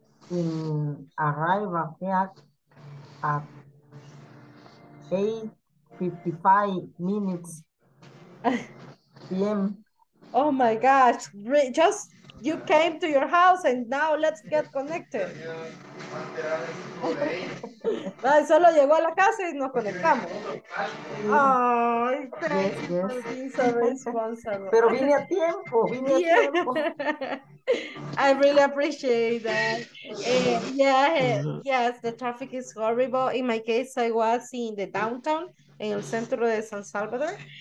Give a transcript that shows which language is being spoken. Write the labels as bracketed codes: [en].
[en] in arrival here at 8:55 minutes p.m. Oh my gosh, just you came to your house and now let's get connected. [es] Vale, solo llegó a la casa y nos conectamos. [en] Ay, oh, thank you for being so responsible. [es] Pero vine a tiempo, vine a tiempo. [en] Yeah, I really appreciate that. Yes, the traffic is horrible. In my case, I was in the downtown, [es] en el centro de San Salvador.